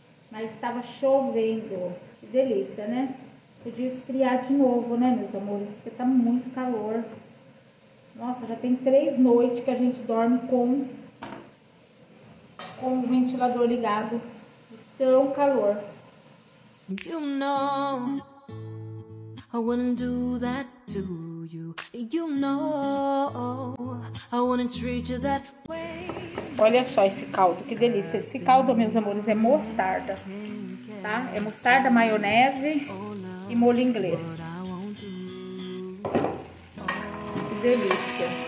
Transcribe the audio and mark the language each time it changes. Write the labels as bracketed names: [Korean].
[Portuguese] Mas estava chovendo. Que delícia, né? Podia esfriar de novo, né, meus amores? Porque tá muito calor. Nossa, já tem 3 noites que a gente dorme com o ventilador ligado. Tão calor. [English] You know I wouldn't do that to you. You know I wouldn't treat you that way. [Portuguese] Olha só esse caldo, que delícia. Esse caldo, meus amores, é mostarda, tá? É mostarda, maionese e molho inglês. Que delícia.